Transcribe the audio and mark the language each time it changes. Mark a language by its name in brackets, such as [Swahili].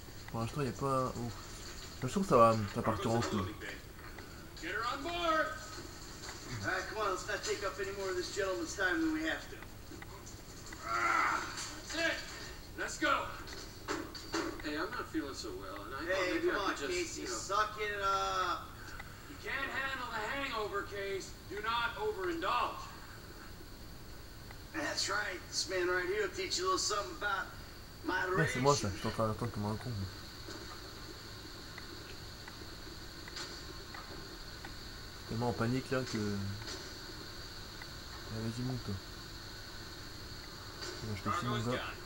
[French] Pour l'instant, il n'y a pas. Ouf. Je trouve que ça va partir en feu. [English] Get her on board! Alright, come on, let's not take up any more of this gentleman's time than we have to. That's it! Let's go! Hey, I'm not feeling so well, and hey, I come on, just, Casey, you know, suck it up! You can't handle the hangover, Case. Do not overindulge. That's right, this man right here will teach you a little something about. [French] Ouais, c'est moi ça, je suis en train d'attendre comme un con. Mais. Tellement en panique là que. Ah, vas-y, monte toi. Je te suis mon gars.